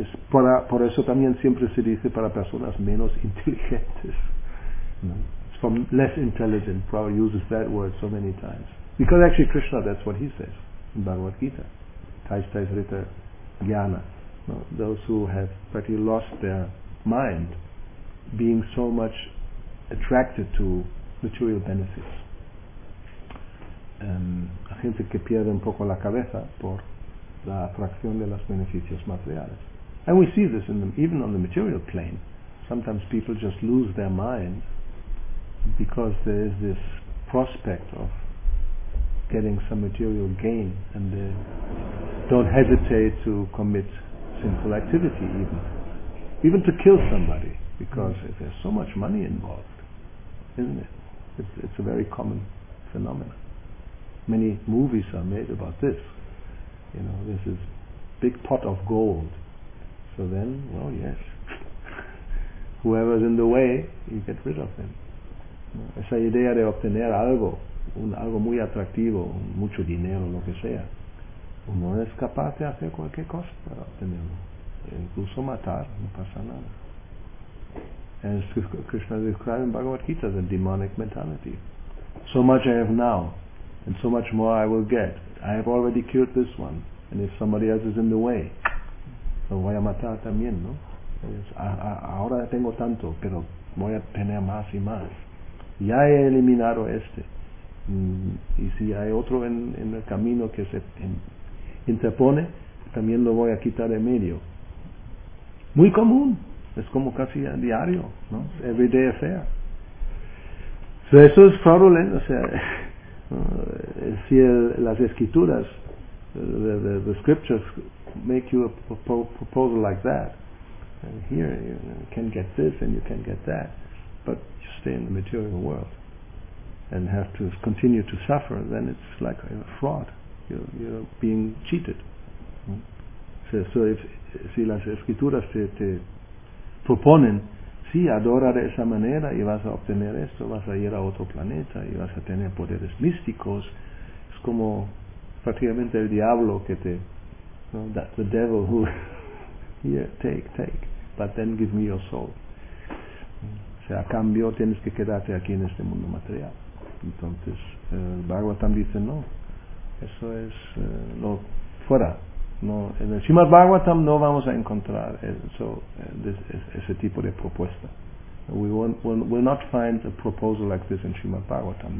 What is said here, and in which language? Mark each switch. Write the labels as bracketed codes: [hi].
[es] Por eso también siempre se dice para personas menos inteligentes. [en] It's from less intelligent. Prabhupada uses that word so many times. Because actually Krishna, that's what he says in Bhagavad Gita. Taistais rita jnana. Those who have practically lost their mind, being so much attracted to material benefits. [es] La gente que pierde un poco la cabeza por la atracción de los beneficios materiales. [en] And we see this even on the material plane. Sometimes people just lose their mind because there is this prospect of getting some material gain, and they don't hesitate to commit sinful activity even to kill somebody, because there's so much money involved, isn't it? It's a very common phenomenon. Many movies are made about this. You know, this is big pot of gold. So then, well, yes. Whoever's in the way, you get rid of them. [es] Esa idea de obtener algo, algo muy atractivo, mucho dinero, lo que sea. Uno es capaz de hacer cualquier cosa para obtenerlo. Incluso matar, no pasa nada. [en] As Krishna described in Bhagavad Gita, the demonic mentality. So much I have now, and so much more I will get. I have already killed this one. And if somebody else is in the way, [es] lo voy a matar también, ¿no? Ahora tengo tanto, pero voy a tener más y más. Ya he eliminado este. Y si hay otro en el camino que se interpone, también lo voy a quitar de medio. Muy común. Es como casi a diario, ¿no? [en] Everyday affair. [es] So eso es fraudulento. O sea, si las escrituras, [en] the scriptures make you a proposal like that, and here you can get this and you can get that, but you stay in the material world and have to continue to suffer, then it's like a fraud. You're being cheated. [es] So if si las escrituras te proponen, sí, adora de esa manera y vas a obtener esto, vas a ir a otro planeta y vas a tener poderes místicos, es como prácticamente el diablo que te, [en] no, that's the devil who here, take, but then give me your soul. [es] O sea, a cambio tienes que quedarte aquí en este mundo material. Entonces Bhagavatam dice no, eso es lo fuera. No, en el Srimad Bhagavatam no vamos a encontrar ese tipo de propuesta. [en] We'll not find a proposal like this in Srimad Bhagavatam.